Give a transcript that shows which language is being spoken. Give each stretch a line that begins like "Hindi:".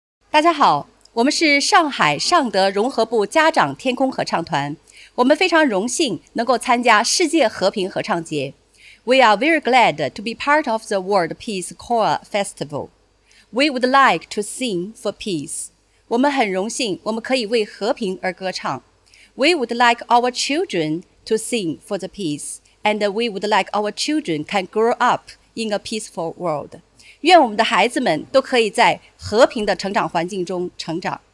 Chinese: 大家好，我们是上海尚德融合部家长天空合唱团，我们非常荣幸能够参加世界和平合唱节。
English: We are very glad to be part of the World Peace Choir Festival. We would like to sing for peace.
Chinese: 我们很荣幸我们可以为和平而歌唱。
English: We would like our children to sing for the peace, and we would like our children can grow up in a peaceful world.
Chinese: 愿我们的孩子们都可以在和平的成长环境中成长。